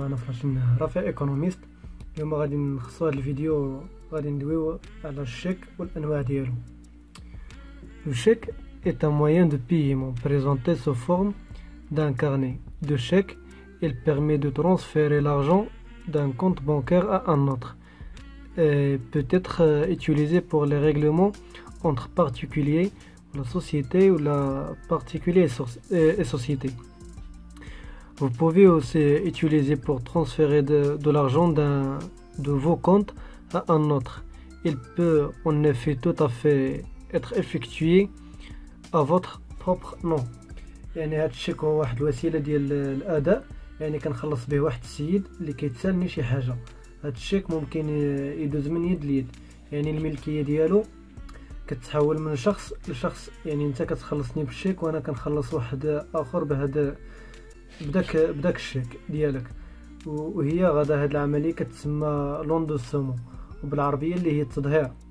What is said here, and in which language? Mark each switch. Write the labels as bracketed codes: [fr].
[ar] انا فرج رفيع ايكونوميست. اليوم غادي نخصو هذا الفيديو، غادي ندويو على الشيك والانواع ديالو. [fr] الشيك اي ان مويان دو بيمون بريزونتي سو فورم دان كارني دو شيك. il permet de transférer l'argent d'un compte bancaire à un autre et peut être utilisé pour les règlements entre particuliers ou la société ou la particulier et société. Vous pouvez aussi utiliser pour transférer de l'argent de vos comptes à un autre. Il peut en effet tout à fait être effectué à votre propre nom. [ar] يعني هاد الشيك هو واحد الوسيلة ديال الأداء، يعني كنخلص به واحد السيد اللي كيتسالني شي حاجة. هاد الشيك ممكن يدوز من يد ليد، يعني الملكية ديالو كتحول من شخص لشخص. يعني انت كتخلصني بالشيك وانا كنخلص واحد اخر بداك الشيك ديالك، وهي غدا هاد العملية كتسمى لوندو سومو، وبالعربية اللي هي التضهير.